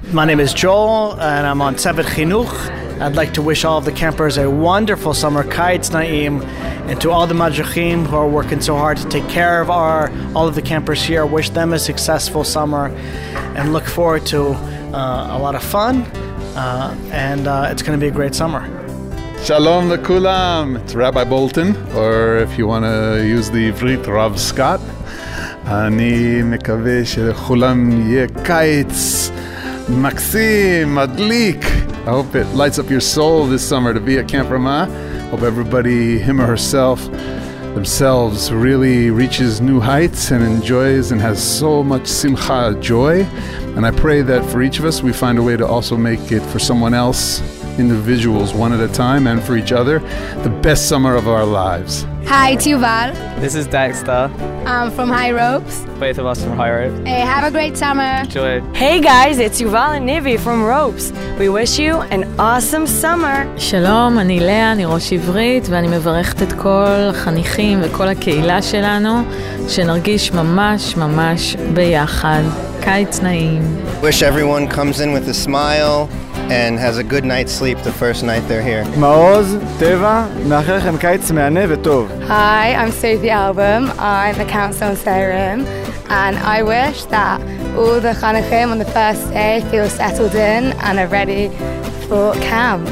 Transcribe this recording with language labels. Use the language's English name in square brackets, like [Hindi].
[English] My name is Joel, and I'm on Tzevet Chinuch. I'd like to wish all of the campers a wonderful summer, [Hebrew] Kaitz Naim, [English] and to all the Madrichim who are working so hard to take care of all of the campers here, wish them a successful summer, and look forward to a lot of fun, and it's going to be a great summer. [Hebrew] Shalom lekulam, [English] it's Rabbi Bolton, or if you want to use the Ivrit, Rav Scott. [Hebrew] אני מקווה שלכולם יהיה קיץ מקסים, מדליק. [English] I hope it lights up your soul this summer to be at Camp Ramah. Hope everybody, him or herself, themselves, really reaches new heights and enjoys and has so much simcha joy. And I pray that for each of us, we find a way to also make it for someone else, individuals, one at a time, and for each other, the best summer of our lives. Hi, Tuval. This is Dexter. I'm from High Ropes. Both of us from High Ropes. Hey, have a great summer. Enjoy. Hey guys, it's Yuval and Nivi from Ropes. We wish you an awesome summer. [Hebrew] Shalom, אני לאה, אני ראש עברית, ואני מברכת את כל החניכים וכל הקהילה שלנו, שנרגיש ממש ממש ביחד. קיץ נעים. [English] Wish everyone comes in with a smile and has a good night's sleep the first night they're here. [Hebrew] Maoz, Teva, me'achalechem kaitz me'aneh v'tov. [English] Hi, I'm Sophie Album. I'm a counselor on Seirim. And I wish that all the chanukim on the first day feel settled in and are ready for camp.